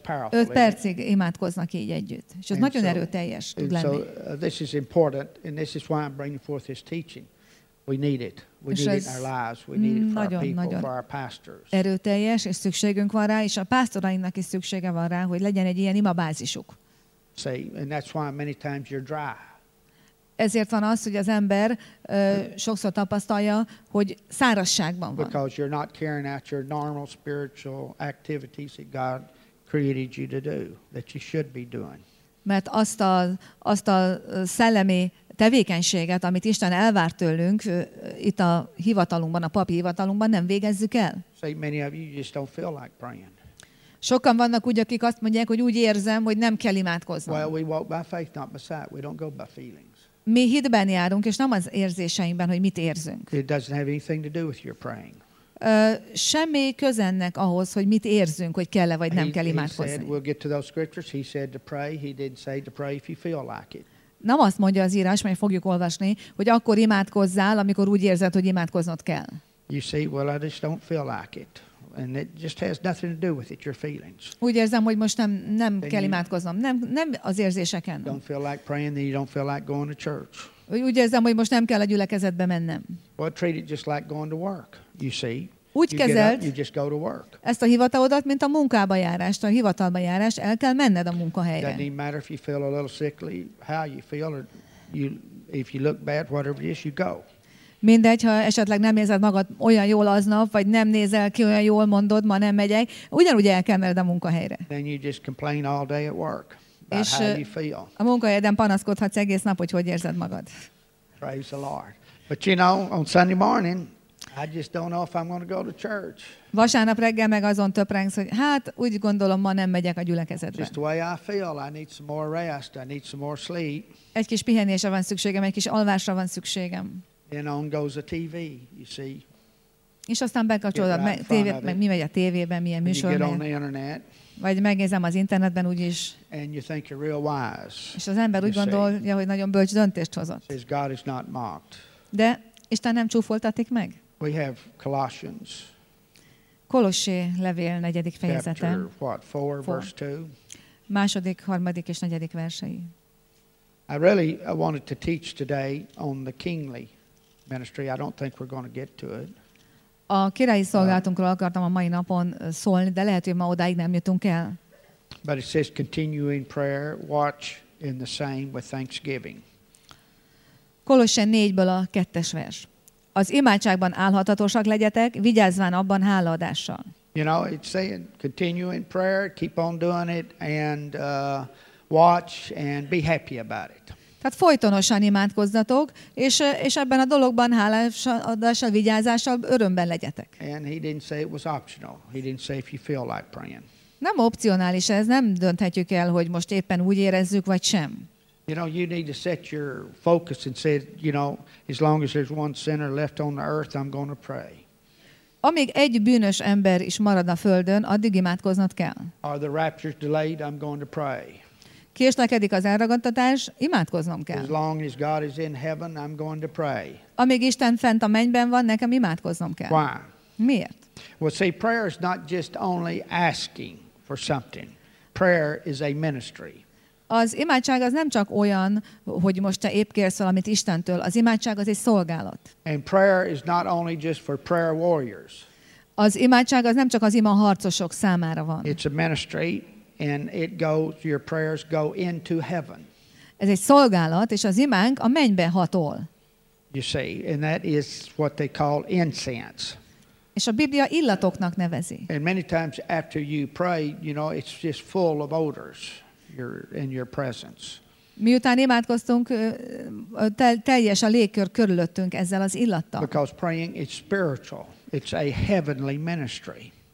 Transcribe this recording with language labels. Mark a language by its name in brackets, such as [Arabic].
[Hungarian] 5 percig imádkoznak így együtt. És ez nagyon erőteljes tud lenni. [English] So this is important, and this is why I'm bringing forth this teaching. We need it. We need it in our lives. We need it for [Hungarian] nagyon, [English] our people, for our pastors. [Hungarian] Erőteljes, és szükségünk van rá, és a pásztorainknak is szüksége van rá, hogy legyen egy ilyen imabázisuk. [English] See, and that's why many times you're dry. [Hungarian] Ezért van az, hogy az ember sokszor tapasztalja, hogy szárazságban van. [English] Because you're not carrying out your normal spiritual activities that God created you to do, that you should be doing. [Hungarian] Mert azt a szellemi tevékenységet, amit Isten elvár tőlünk itt a hivatalunkban, a papi hivatalunkban, nem végezzük el. [English] See, many of you just don't feel like praying. [Hungarian] Sokan vannak úgy, akik azt mondják, hogy úgy érzem, hogy nem kell imádkoznom. [English] Well, we walk by faith, not by sight. We don't go by feelings. [Hungarian] Mi hitben járunk, és nem az érzéseinkben, hogy mit érzünk. [English] It doesn't have anything to do with your praying. [Hungarian] Semmi közennek ahhoz, hogy mit érzünk, hogy kell-e vagy nem kell imádkozni. [English] He said, we'll get to those scriptures. He said to pray. He didn't say to pray if you feel like it. [Hungarian] Nem azt mondja az írás, mert fogjuk olvasni, hogy akkor imádkozzál, amikor úgy érzed, hogy imádkoznod kell. [English] You see, well, I just don't feel like it. And it just has nothing to do with it, your feelings. [Hungarian] Úgy érzem, hogy most nem kell imádkoznom. Nem az érzéseken. [English] Don't feel like praying, then you don't feel like going to church. [Hungarian] Úgy érzem, hogy most nem kell a gyülekezetbe mennem. [English] Well, treat it just like going to work, you see. [Hungarian] Úgy kezeld, [English] you just go to work. [Hungarian] Ezt a hivatalodat, mint a munkába járást, a hivatalba járás, el kell menned a munkahelyre. [English] Doesn't even matter if you feel a little sickly, how you feel, or if you look bad, whatever it is, you go. [Hungarian] Mindegy, ha esetleg nem érzed magad olyan jól aznap, vagy nem nézel ki olyan jól, mondod, ma nem megyek, ugyanúgy el kell menned a munkahelyre. [English] Then you just complain all day at work about [Hungarian] és [English] how you feel. [Hungarian] A munkahelyeden panaszkodhatsz egész nap, hogy hogy érzed magad. [English] Praise the Lord. But you know, on Sunday morning, I just don't know if I'm going to go to church. [Hungarian] Vasárnap reggel meg azon töprengsz, hogy hát úgy gondolom, ma nem megyek a gyülekezetbe. [English] Just the way I feel, I need some more rest, I need some more sleep. [Hungarian] Egy kis pihenésre van szükségem, egy kis alvásra van szükségem. [English] Then on goes the TV, you see. [Hungarian] És aztán bekapcsolod [English] right [Hungarian] a tévét, meg mi megy a tévében, milyen műsor. [English] You get on the internet. [Hungarian] Vagy megnézem az interneten úgyis. [English] And you think you're real wise. [Hungarian] És az ember úgy gondolja, hogy nagyon bölcs döntést hozott. [English] Says God is not mocked. [Hungarian] De Isten nem csúfoltatik meg? [English] We have Colossians. [Hungarian] Kolossé levél 4. fejezete. [English] Chapter what, 4, verse 2. [Hungarian] Második, harmadik és negyedik versei. [English] I wanted to teach today on the kingly ministry. I don't think we're going to get to it. [Hungarian] A királyi szolgálatunkról akartam a mai napon szólni, de lehet, hogy ma odáig nem jutunk el. [English] But it says continue in prayer, watch in the same with thanksgiving. [Hungarian] Kolossé 4-ből a 2. vers. Az imádságban állhatatosak legyetek, vigyázván abban hálaadással. [English] You know, it's saying continue in prayer, keep on doing it, and watch and be happy about it. [Hungarian] Tehát folytonosan imádkozzatok, és ebben a dologban hálaadással, vigyázással, örömben legyetek. [English] And he didn't say it was optional. He didn't say if you feel like praying. [Hungarian] Nem opcionális ez, nem dönthetjük el, hogy most éppen úgy érezzük, vagy sem. [English] You know, you need to set your focus and say, you know, as long as there's one sinner left on the earth, I'm going to pray. [Hungarian] Amíg egy bűnös ember is marad a földön, addig imádkoznod kell. [English] Are the raptures delayed? I'm going to pray. [Hungarian] Késlekedik az elragadtatás, imádkoznom kell. [English] As long as God is in heaven, I'm going to pray. [Hungarian] Amíg Isten fent a mennyben van, nekem imádkoznom kell. [English] Why? [Hungarian] Miért? [English] Well, see, prayer is not just only asking for something. Prayer is a ministry. [Hungarian] Az imádság az nem csak olyan, hogy most te épp kérsz valamit Istentől. Az imádság az egy szolgálat. [English] And prayer is not only just for prayer warriors. [Hungarian] Az imádság az nem csak az ima harcosok számára van. [English] It's a ministry. And it goes, your prayers go into heaven. [Hungarian] Ez egy szolgálat, és az imánk a mennybe hatol. [English] You see, and that is what they call incense. [Hungarian] És a Biblia illatoknak nevezi. [English] And many times after you pray, you know, it's just full of odors in your presence. [Hungarian] Miután imádkoztunk, teljes a légkör körülöttünk ezzel az illattal. [English] Because praying is spiritual. It's a heavenly ministry.